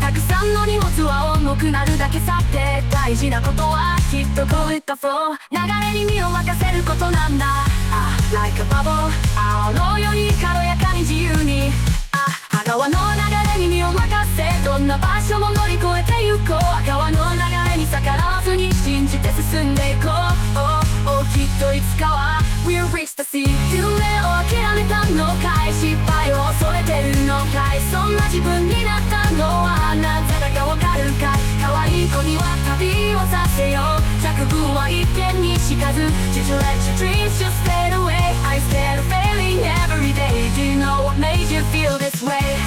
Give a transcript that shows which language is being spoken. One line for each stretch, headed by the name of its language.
Japanese: たくさんの荷物は重くなるだけ。さて大事なことはきっとこういったフォー。流れに身を任せることなんだ。
English: Like a bubble
Japanese: 青のように軽やかに自由に、川の流れに身を任せ。どんな場所も乗り越えて行こう。川の流れに逆らわずに信じて進んでいこう。 Oh, きっといつかは
English: We'll reach the sea.
Japanese: 夢を諦めたのかい。失敗を恐れてるのかい。そんな自分になったのはなぜだかわかるかい。可愛い子には旅をさせよう。着具は一見にしかず。
English: Did you let your dreams just fade away? I'm scared of failing every day. Do you know what made you feel this way?